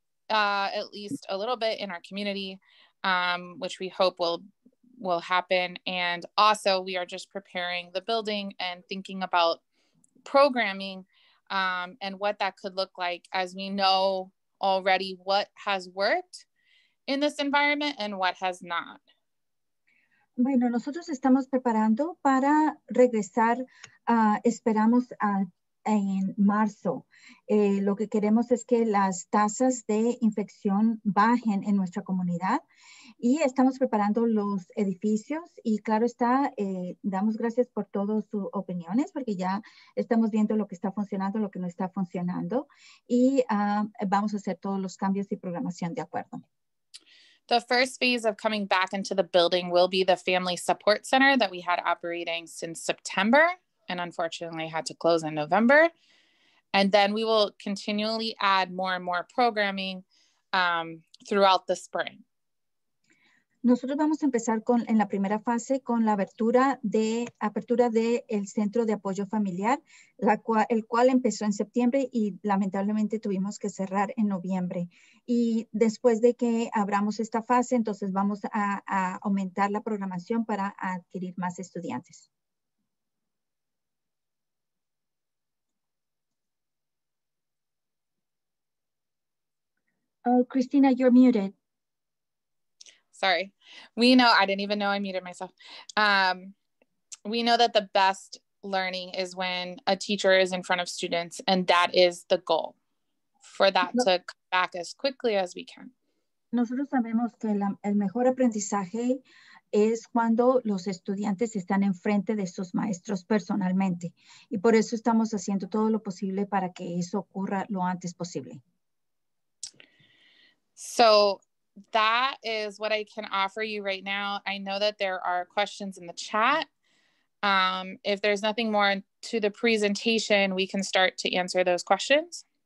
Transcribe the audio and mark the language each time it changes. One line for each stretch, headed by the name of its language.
English: at least a little bit in our community, which we hope will happen. And also we are just preparing the building and thinking about programming and what that could look like, as we know already what has worked in this environment and what has not.
Spanish: Bueno, nosotros estamos preparando para regresar, esperamos en marzo. Lo que queremos es que las tasas de infección bajen en nuestra comunidad y estamos preparando los edificios. Y claro está, damos gracias por todas sus opiniones, porque ya estamos viendo lo que está funcionando, lo que no está funcionando, y vamos a hacer todos los cambios y programación de acuerdo.
English: The first phase of coming back into the building will be the family support center that we had operating since September and unfortunately had to close in November. And then we will continually add more and more programming throughout the spring.
Spanish: Nosotros vamos a empezar con en la primera fase con la apertura de el centro de apoyo familiar, el cual empezó en septiembre y lamentablemente tuvimos que cerrar en noviembre. Y después de que abramos esta fase, entonces vamos a aumentar la programación para adquirir más estudiantes.
English: Oh, Christina, you're muted. Sorry, we know that the best learning is when a teacher is in front of students, and that is the goal, for that to come back as quickly as we can.
Spanish: Nosotros sabemos que el mejor aprendizaje es cuando los estudiantes están enfrente de sus maestros personalmente, y por eso estamos haciendo todo lo posible para que eso ocurra lo antes posible.
English: So that is what I can offer you right now. I know that there are questions in the chat. If there's nothing more to the presentation, we can start to answer those questions.